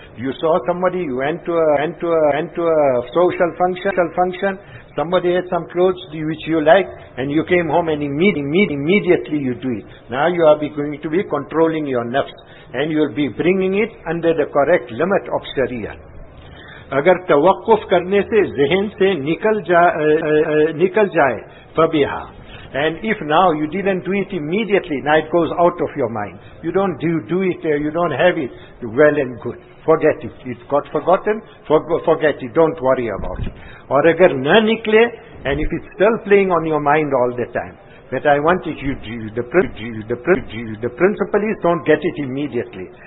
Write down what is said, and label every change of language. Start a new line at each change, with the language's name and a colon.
English: You saw somebody, you went to a social function, somebody had some clothes which you like, and you came home and immediately you do it. Now you are going to be controlling your nafs, and you'll be bringing it under the correct limit of Sharia.
Urdu: اگر توقف کرنے سے ذہن سے نکل جائے Fabiha.
English: And if now you didn't do it immediately, now it goes out of your mind. You don't do it there, you don't have it, well and good. Forget it. It got forgotten, forget it. Don't worry about it. Or
Urdu: agar na nikle,
English: and if it's still playing on your mind all the time, that I want it, the principle is don't get it immediately.